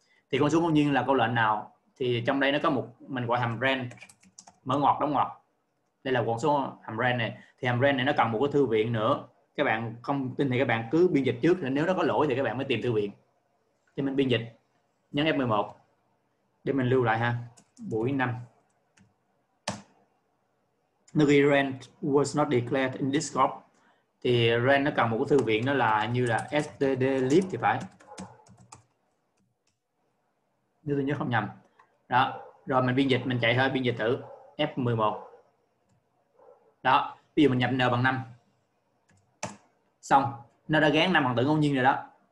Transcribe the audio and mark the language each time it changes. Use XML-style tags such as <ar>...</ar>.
<vi>Thì con số ngẫu nhiên là câu lệnh nào? Thì trong đây nó có một, mình gọi hàm range, mở ngoặc đóng ngoặc. Đây là con số hàm range này. Thì hàm range này nó cần một cái thư viện nữa. Các bạn không tin thì các bạn cứ biên dịch trước, nếu nó có lỗi thì các bạn mới tìm thư viện. Thì mình biên dịch, nhấn F11 để mình lưu lại ha. Buổi 5,</vi> <en>the range was not declared in this scope.</en> <vi>Thì range nó cần một cái thư viện, nó là như là stdlib thì phải, nếu tôi nhớ không nhầm. Đó, rồi mình biên dịch, mình chạy thôi, biên dịch thử F11. Đó, ví dụ mình nhập n bằng 5. Xong, nó đã gán 5 phần tử ngẫu nhiên rồi đó.</vi>